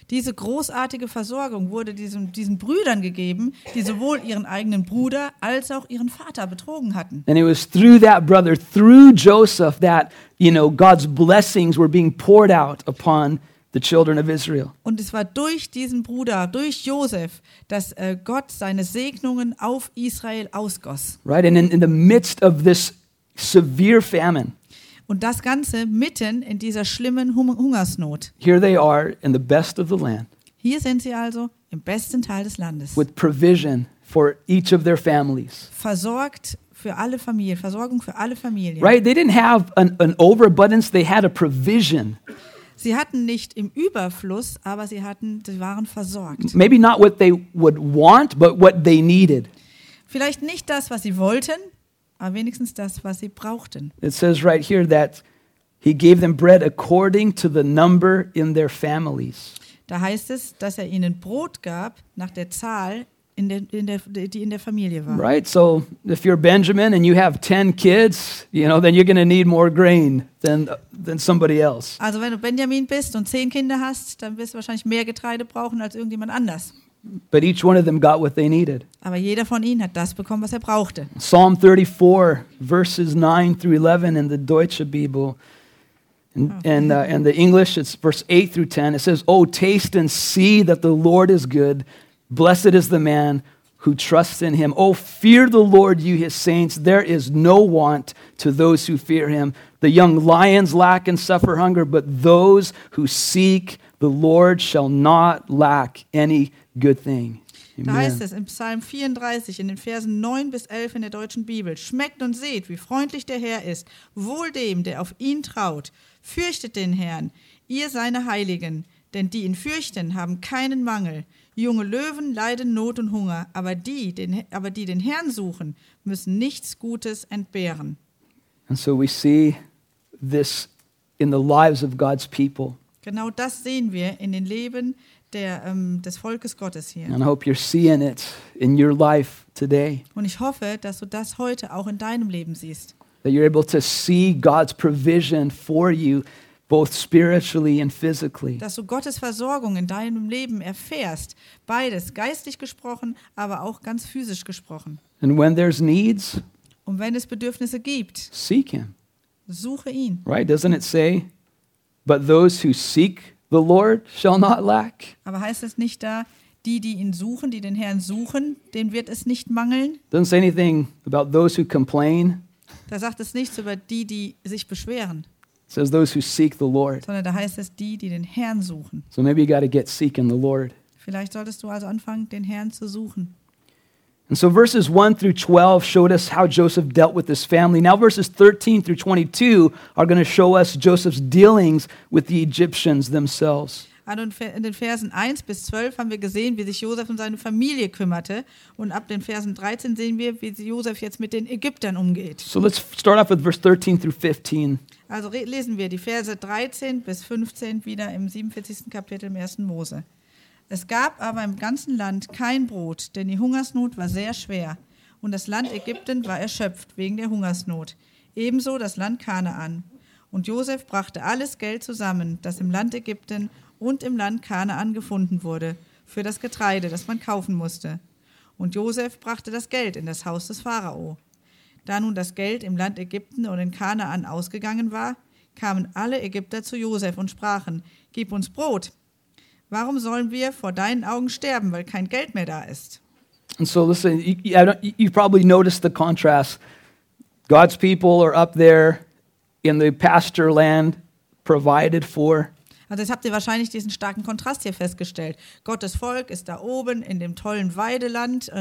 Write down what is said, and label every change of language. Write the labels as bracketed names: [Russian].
[German] Diese großartige Versorgung wurde diesen Brüdern gegeben, die sowohl ihren eigenen Bruder als auch ihren Vater betrogen hatten. [English] And it was through that brother, through Joseph, that God's blessings were being poured out upon the children of Israel. [German] Und es war durch diesen Bruder, durch Josef, dass Gott seine Segnungen auf Israel ausgoss. [English] Right, and in the midst of this severe famine. [German] Und das Ganze mitten in dieser schlimmen Hungersnot. [English] Here they are in the best of the land. [German] Hier sind sie also im besten Teil des Landes. [English] With provision for each of their families. [German] Versorgt für alle Familien, Versorgung für alle Familien. [English] Right, they didn't have an overabundance, they had a provision. [German] Sie hatten nicht im Überfluss, aber sie waren versorgt. [English] Maybe not what they would want, but what they needed. [German] Vielleicht nicht das, was sie wollten, aber wenigstens das, was sie brauchten. [English] It says right here that he gave them bread according to the number in their families. [German] Da heißt es, dass er ihnen Brot gab nach der Zahl, die in der Familie war. [English] Right, so if you're Benjamin and you have 10 kids, then you're going to need more grain than somebody else. [German] Also wenn du Benjamin bist und 10 Kinder hast, dann wirst du wahrscheinlich mehr Getreide brauchen als irgendjemand anders. [English] But each one of them got what they needed. [German] Aber jeder von ihnen hat das bekommen, was er brauchte. [English] Psalm 34, verses 9 through 11 in the Deutsche Bibel. And the English, it's verse 8 through 10. It says, "Oh, taste and see that the Lord is good. Blessed is the man who trusts in him. Oh, fear the Lord, you his saints. There is no want to those who fear him. The young lions lack and suffer hunger, but those who seek the Lord shall not lack any good thing." Amen. [German] Da heißt es in Psalm 34, in den Versen 9 bis 11 in der deutschen Bibel: "Schmeckt und seht, wie freundlich der Herr ist. Wohl dem, der auf ihn traut. Fürchtet den Herrn, ihr seine Heiligen, denn die ihn fürchten, haben keinen Mangel. Junge Löwen leiden Not und Hunger, aber die den Herrn suchen, müssen nichts Gutes entbehren." [English] And so we see this in the lives of God's people. [German] Genau das sehen wir in den Leben des Volkes Gottes hier. [English] And I hope you're seeing it in your life today. [German] Und ich hoffe, dass du das heute auch in deinem Leben siehst. [English] That you're able to see God's provision for you, both spiritually and physically. [German] Dass du Gottes Versorgung in deinem Leben erfährst, beides, geistlich gesprochen, aber auch ganz physisch gesprochen. [English] And when there's needs, [German] und wenn es Bedürfnisse gibt, [English] seek him. [German] Suche ihn. [English] Right, doesn't it say, but those who seek the Lord shall not lack? [German] Aber heißt es nicht da, die ihn suchen, die den Herrn suchen, denen wird es nicht mangeln? [English] Doesn't say anything about those who complain. [German] Da sagt es nichts über die sich beschweren. [English] Says those who seek the Lord. [German] Sondern da heißt es, die den Herrn suchen. [English] So maybe you got to get seeking the Lord. [German] Vielleicht solltest du also anfangen, den Herrn zu suchen. [English] And so verses 1 through 12 showed us how Joseph dealt with his family. Now verses 13 through 22 are going to show us Joseph's dealings with the Egyptians themselves. [German] Also in den Versen 1 bis 12 haben wir gesehen, wie sich Joseph um seine Familie kümmerte. Und ab den Versen 13 sehen wir, wie Joseph jetzt mit den Ägyptern umgeht. So let's start off with verse 13 through 15. Also lesen wir die Verse 13 bis 15 wieder im 47. Kapitel im 1. Mose. Es gab aber im ganzen Land kein Brot, denn die Hungersnot war sehr schwer. Und das Land Ägypten war erschöpft wegen der Hungersnot. Ebenso das Land Kanaan. Und Joseph brachte alles Geld zusammen, das im Land Ägypten und im Land Kanaan gefunden wurde, für das Getreide, das man kaufen musste. Und Joseph brachte das Geld in das Haus des Pharao. Da nun das Geld im Land Ägypten und in Kanaan ausgegangen war, kamen alle Ägypter zu Joseph und sprachen: Gib uns Brot. Warum sollen wir vor deinen Augen sterben, weil kein Geld mehr da ist? [English] And so listen, you probably noticed the contrast. God's people are up there in the pasture land provided for. [German] Also jetzt habt ihr wahrscheinlich diesen starken Kontrast hier festgestellt. Gottes Volk ist da oben in dem tollen Weideland.